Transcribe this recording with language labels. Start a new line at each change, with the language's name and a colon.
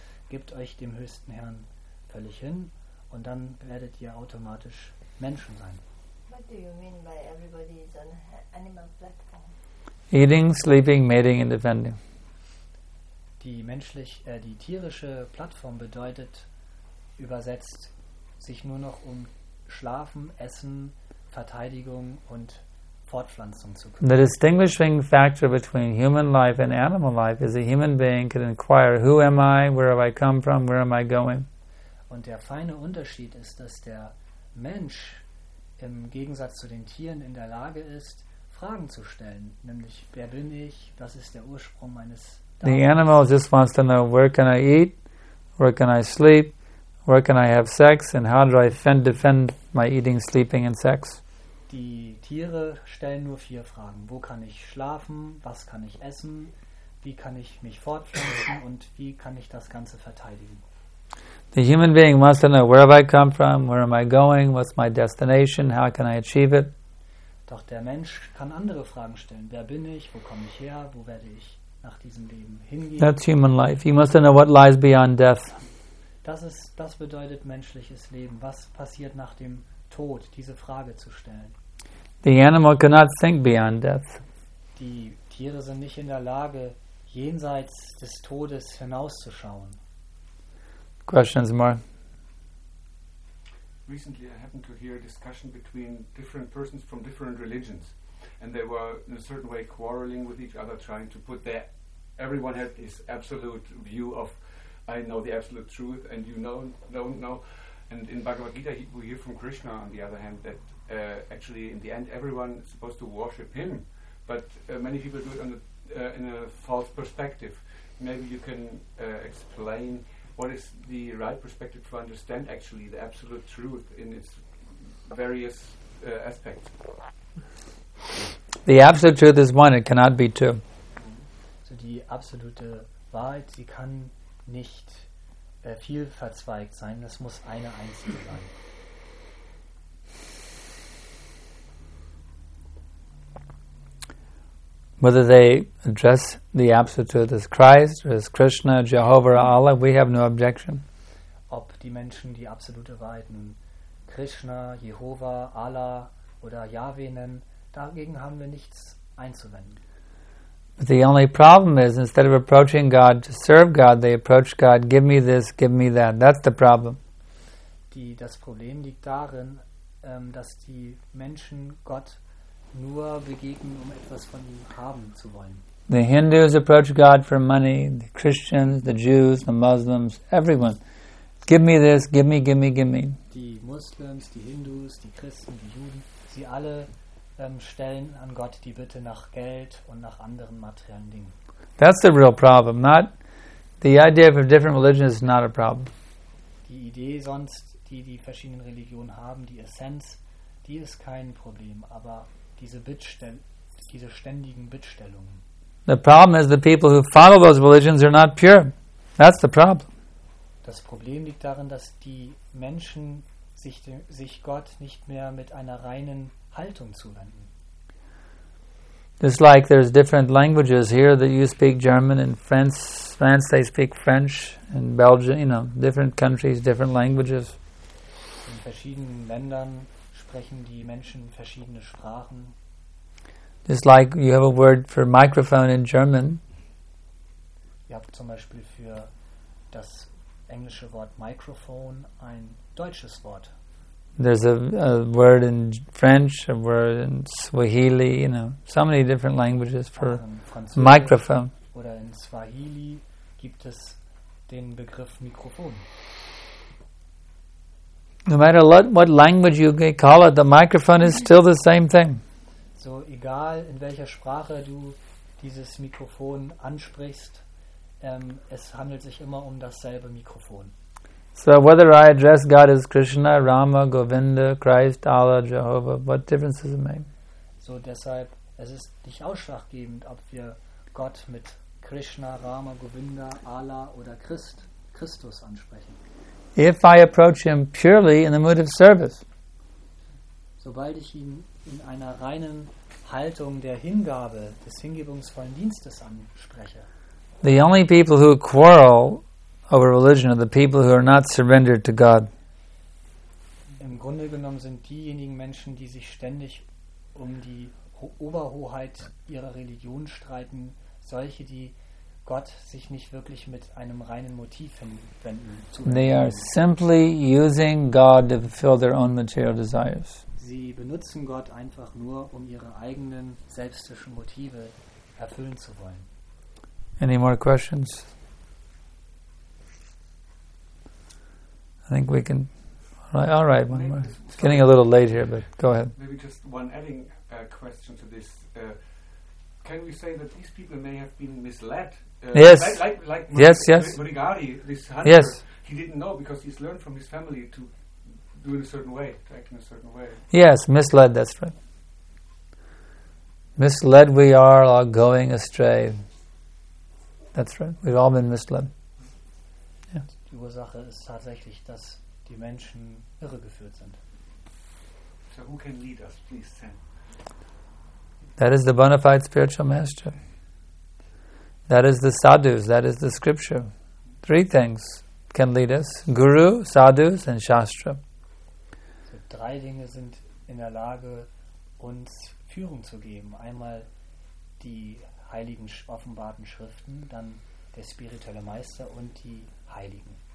German: Gebt euch dem höchsten Herrn völlig hin und dann werdet ihr automatisch Menschen sein.
English: What do you mean by everybody is on animal platform? Eating, sleeping, mating and defending.
German: Die tierische Plattform bedeutet übersetzt sich nur noch um Schlafen, Essen, Verteidigung und Fortpflanzung zu können.
English: The distinguishing factor between human life and animal life is a human being can inquire, who am I, where have I come from, where am I going?
German: Und der feine Unterschied ist, dass der Mensch im Gegensatz zu den Tieren in der Lage ist, Fragen zu stellen, nämlich, wer bin ich, was ist der Ursprung meines Daumens?
English: The animal just wants to know, where can I eat, where can I sleep, where can I have sex, and how do I defend my eating, sleeping and sex?
German: Die Tiere stellen nur vier Fragen. Wo kann ich schlafen, was kann ich essen, wie kann ich mich fortpflanzen und wie kann ich das Ganze verteidigen?
English: The human being wants to know, where have I come from, where am I going, what's my destination, how can I achieve it?
German: Doch der Mensch kann andere Fragen stellen. Wer bin ich, wo komme ich her, wo werde ich nach diesem Leben hingehen?
English: That's human life. You must know what lies beyond death.
German: Das bedeutet menschliches Leben. Was passiert nach dem Tod, diese Frage zu stellen?
English: The animal cannot think beyond death.
German: Die Tiere sind nicht in der Lage, jenseits des Todes hinauszuschauen.
English: Questions, Mark? Recently I happened to hear a discussion between different persons from different religions, and they were in a certain way quarreling with each other, trying to put their, everyone had his absolute view of, I know the absolute truth and you know, don't know. And in Bhagavad Gita we hear from Krishna, on the other hand, that actually in the end everyone is supposed to worship him, but many people do it on in a false perspective. Maybe you can explain what is the right perspective to understand actually the absolute truth in its various aspects? The absolute truth is one, it cannot be two.
German: So die absolute Wahrheit, sie kann nicht viel verzweigt sein, das muss eine einzige sein.
English: Whether they address the absolute truth as Christ or as Krishna, Jehovah, or Allah, we have no objection.
German: Ob die Menschen die absolute Wahrheit Krishna, Jehovah, Allah oder Yahweh nennen, dagegen haben wir nichts einzuwenden.
English: But the only problem is, instead of approaching God to serve God, they approach God, give me this, give me that. That's the problem.
German: Das Problem liegt darin, dass die Menschen Gott nur begegnen, um etwas von ihm haben zu wollen.
English: The Hindus approach God for money, the Christians, the Jews, the Muslims, everyone. Give me this, give me, give me, give me.
German: Die Muslims, die Hindus, die Christen, die Juden, sie alle stellen an Gott die Bitte nach Geld und nach anderen materiellen Dingen.
English: That's the real problem. Not the idea of a different religion is not a problem.
German: Die Idee sonst, die verschiedenen Religionen haben, die Essenz, die ist kein Problem, aber diese ständigen Bittstellungen.
English: The problem is the people who follow those religions are not pure. That's the problem.
German: Das Problem liegt darin, dass die Menschen sich Gott nicht mehr mit einer reinen Haltung zuwenden.
English: It's like there's different languages here that you speak German, in France they speak French, in Belgium, you know, different countries, different languages.
German: In verschiedenen Ländern sprechen die Menschen verschiedene Sprachen.
English: Just like you have a word for microphone in German.
German: Ihr habt zum Beispiel für das englische Wort Mikrofon ein deutsches Wort.
English: There's a word in French, a word in Swahili, you know, so many different languages for microphone.
German: Oder in Swahili gibt es den Begriff Mikrofon.
English: No matter what language you call it, the microphone is still the same thing.
German: So egal in welcher Sprache du dieses Mikrofon ansprichst, es handelt sich immer um dasselbe Mikrofon.
English: So whether I address God as Krishna, Rama, Govinda, Christ, Allah, Jehovah, what difference does it make?
German: So deshalb, es ist nicht ausschlaggebend, ob wir Gott mit Krishna, Rama, Govinda, Allah oder Christus ansprechen.
English: If I approach him purely in the mood of service.
German: Sobald ich ihn in einer reinen Haltung der Hingabe, des hingebungsvollen Dienstes anspreche.
English: The only people who quarrel over religion are the people who are not surrendered to God.
German: Im Grunde genommen sind diejenigen Menschen, die sich ständig um die Oberhoheit ihrer Religion streiten, solche, die Gott sich nicht wirklich mit einem reinen Motiv hinwenden.
English: They are simply using God to fulfill their own material desires.
German: Sie benutzen Gott einfach nur, um ihre eigenen selbstischen Motive erfüllen zu wollen.
English: Any more questions? I think we can. All right. One more. It's getting a little late here, but go ahead. Maybe just one adding question to this. Can we say that these people may have been misled? Yes. Murigari, this hunter, yes. He didn't know because he's learned from his family to do it a certain way, to act in a certain way. Yes, misled, that's right. Misled we are going astray. That's right. We've all been misled. Yeah.
German: Die Ursache ist tatsächlich, dass die Menschen irregeführt sind.
English: So who can lead us, please, Sam? That is the bona fide spiritual master. That is the sadhus, that is the scripture. Three things can lead us. Guru, sadhus and shastra.
German: So drei Dinge sind in der Lage, uns Führung zu geben. Einmal die heiligen offenbarten Schriften, dann der spirituelle Meister und die Heiligen.